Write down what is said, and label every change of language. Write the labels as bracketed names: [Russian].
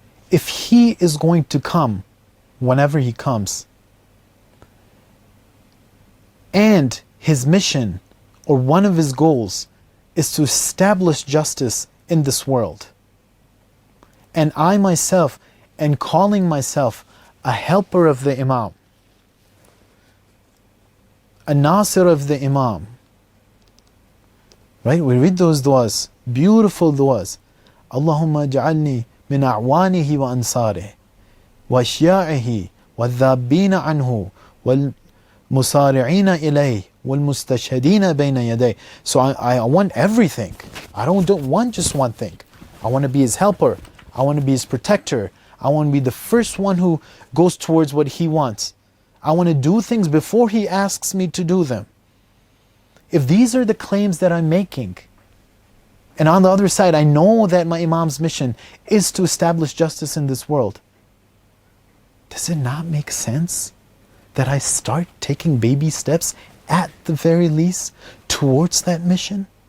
[English] If he is going to come, whenever he comes, and his mission or one of his goals is to establish justice in this world, and I myself am calling myself a helper of the Imam, a Nasir of the Imam, right? We read those du'as, beautiful du'as. [Arabic] Allahumma ja'alni من أعوانه وأنصاره وأشياعه والذابين عنه والمصارعين إليه والمستشهدين بين يديه. [English] So I want everything. I don't want just one thing. I want to be his helper. I want to be his protector. I want to be the first one who goes towards what he wants. I want to do things before he asks me to do them. If these are the claims that I'm making, and on the other side, I know that my Imam's mission is to establish justice in this world, does it not make sense that I start taking baby steps, at the very least, towards that mission?